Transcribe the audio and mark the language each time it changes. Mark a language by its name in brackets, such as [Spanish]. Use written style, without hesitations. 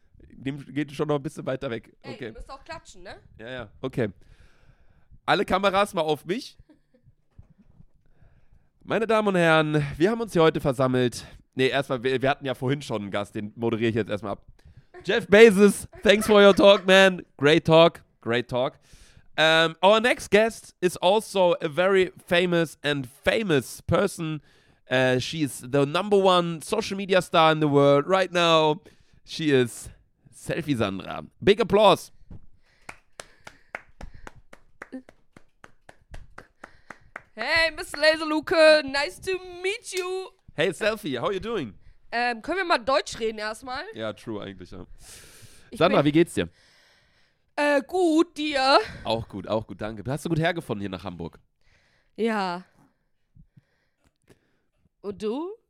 [German] Dem geht schon noch ein bisschen weiter weg. Okay. Ey, du musst auch klatschen, ne? Ja, ja. Okay. Alle Kameras mal auf mich. Meine Damen und Herren, wir haben uns hier heute versammelt. Nee, erstmal, wir hatten ja vorhin schon einen Gast, den moderiere ich jetzt erstmal ab. [English] Jeff Bezos, thanks for your talk, man. Great talk, great talk. Our next guest is also a very famous and famous person. She is the number one social media star in the world right now. She is Selfie Sandra. Big applause. Hey, Mr. Laserluke, nice to meet you. Hey, Selfie, how are you doing? [German] Können wir mal Deutsch reden erstmal? Ja, [English] true, [German] eigentlich, ja. Sandra, wie geht's dir? Gut, dir? Auch gut, danke. Hast du gut hergefunden hier nach Hamburg? Ja. Und du?